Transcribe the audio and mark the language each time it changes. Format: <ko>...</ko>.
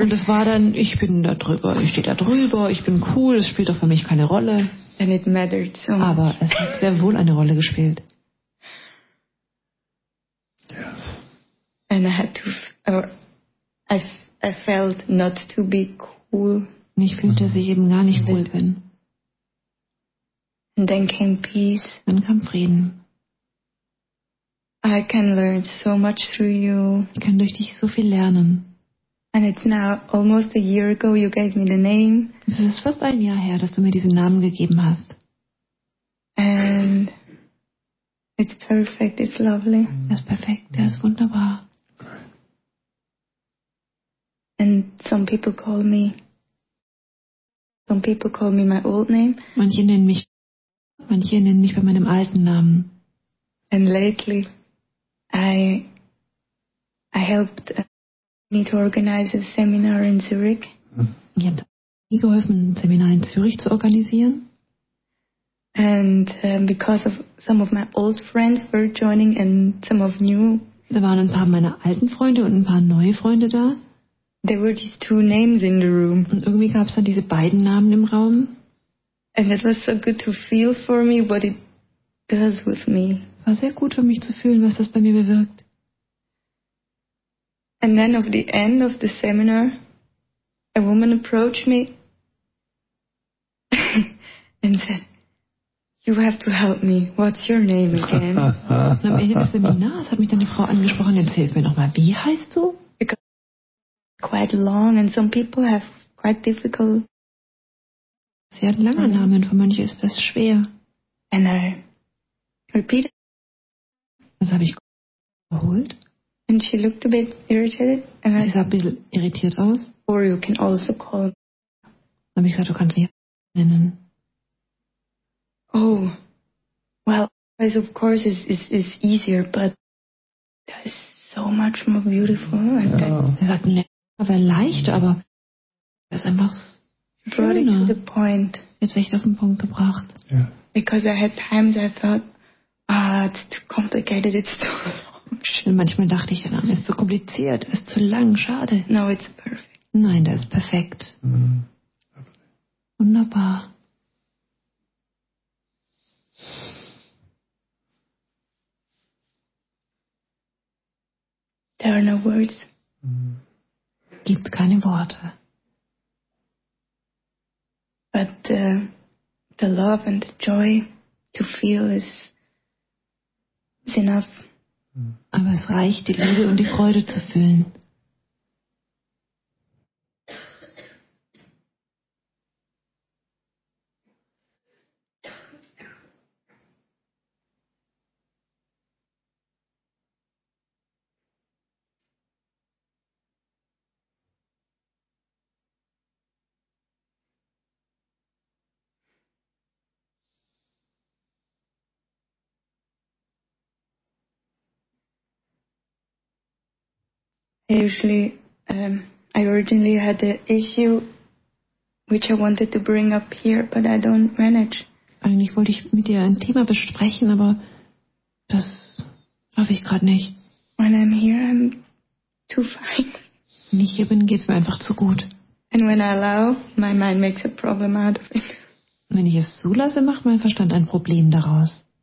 <de>Und es war dann, ich bin da drüber, ich stehe da drüber, ich bin cool, es spielt doch für mich keine Rolle.</de> <en>And it mattered so much.</en> <de>Aber es hat sehr wohl eine Rolle gespielt.</de> <en>Yes. And I had to, I felt not to be cool.</en> <de>Und ich fühlte, dass ich eben gar nicht cool bin.</de> <en>And then came peace.</en> <de>Dann kam Frieden.</de> <en>I can learn so much through you.</en> <de>Ich kann durch dich so viel lernen.</de> <en>And it's now almost a year ago you gave me the name.</en> <de>Es ist fast ein Jahr her, dass du mir diesen Namen gegeben hast.</de> <en>And it's perfect, it's lovely.</en> <de>Er ist perfekt, er ist wunderbar.</de> <en>And some people call me my old name.</en> <de>Manche nennen mich bei meinem alten Namen.</de> <en>And lately, I helped me to organize a seminar in Zurich.</en> <de>Ich habe mir geholfen, ein Seminar in Zürich zu organisieren.</de> <en>And because of some of my old friends were joining and some of new.</en> <de>Da waren ein paar meiner alten Freunde und ein paar neue Freunde da.</de> <en>There were these two names in the room.</en> <de>Und irgendwie gab es dann diese beiden Namen im Raum.</de> <en>And it was so good to feel for me what it does with me.</en> <de>War sehr gut für mich zu fühlen, was das bei mir bewirkt.</de> <en>And then at the end of the seminar, a woman approached me and said, "You have to help me. What's your name again?"</en> <de>Und am Ende des Seminars hat mich dann eine Frau angesprochen. Erzähl mir nochmal, wie heißt du?</de> <en>Quite long and some people have quite difficult.</en> <de>Sie hat einen langen Namen, für manche ist das schwer.</de> <en>And I repeated.</en> <de>Das habe ich geholt.</de> <en>And she looked a bit irritated. And</en> <de>sie sah ein bisschen irritiert aus.</de> <en>Or you can also call.</en> <de>Dann habe ich gesagt, du kannst mich nennen.</de> <en>Oh, well, this of course is easier, but that is so much more beautiful. And</en> <de>sie sagt, nee. Aber leicht, aber das ist einfach schöner.</de> <en>To the point.</en> <de>Jetzt habe ich auf den Punkt gebracht.</de> <en>Yeah. Because I had times I thought, it's too complicated, it's too long.</en> <de>Manchmal dachte ich dann, ist zu kompliziert, ist zu lang, schade.</de> <en>No, it's perfect.</en> <de>Nein, das ist perfekt. Mm-hmm. Wunderbar.</de> <en>There are no words.</en> <de>Es gibt keine Worte.</de> <en>But the love and the joy to feel is enough.</en> <de>Aber es reicht, die Liebe und die Freude zu fühlen.</de> <en>I usually, I originally had an issue which I wanted to bring up here, but I don't manage.</en> <de>Eigentlich wollte ich mit dir ein Thema besprechen, aber das schaffe ich gerade nicht.</de> <en>When I'm here, I'm too fine.</en> <de>Wenn ich hier bin, geht es mir einfach zu gut.</de> <en>And when I allow, my mind makes a problem out of it.</en> <de>Wenn ich es zulasse, macht mein Verstand ein Problem daraus.</de>